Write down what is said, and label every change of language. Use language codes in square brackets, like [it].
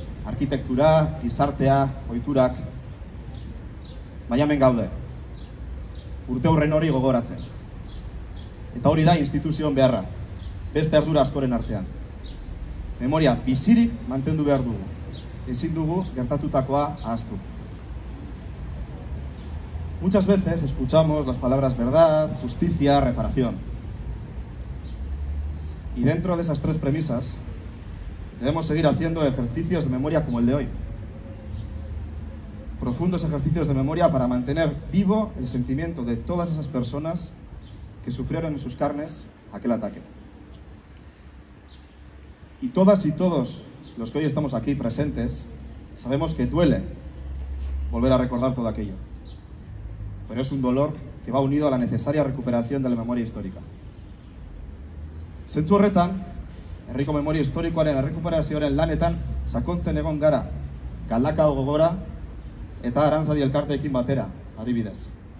[eu] Arkitektura, gizartea, ohiturak, baina hemen gaude. Urte hurren hori gogoratzen. Eta hori da instituzioen beharra, beste ardura askoren artean. Memoria bizirik mantendu behar dugu. Ezin dugu gertatutakoa ahaztu. [es] Muchas veces escuchamos las palabras verdad, justicia, reparación. Y dentro de esas tres premisas, debemos seguir haciendo ejercicios de memoria como el de hoy. Profundos ejercicios de memoria para mantener vivo el sentimiento de todas esas personas que sufrieron en sus carnes aquel ataque. Y todas y todos los que hoy estamos aquí presentes, sabemos que duele volver a recordar todo aquello. pero es un dolor que va unido a la necesaria recuperación de la memoria histórica. [eu] Zentzu horretan, herriko memoria historikoaren errekuperazioaren lanetan sakontzen egon gara, Galdakao Gogora eta Arantzadi elkarteekin batera, adibidez.